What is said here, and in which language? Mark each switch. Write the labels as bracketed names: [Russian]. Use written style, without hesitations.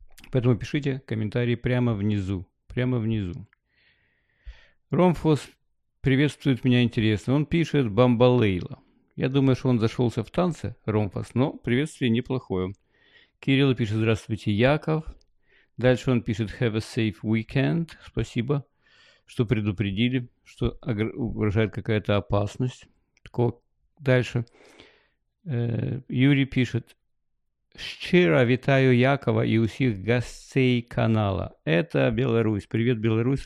[Russian] Поэтому пишите комментарии прямо внизу, прямо внизу. Ромфос приветствует меня интересно. Он пишет «Бамбалейла». Я думаю, что он зашелся в танце, Ромфос, но приветствие неплохое. Кирилл пишет «Здравствуйте, Яков». Дальше он пишет [English] «Have a safe weekend». [Russian] Спасибо, что предупредили, что угрожает какая-то опасность. Дальше. Юрий пишет: [Ukrainian] «Щиро витаю Якова и усіх гостей канала». [Russian] Это Беларусь. Привет, Беларусь.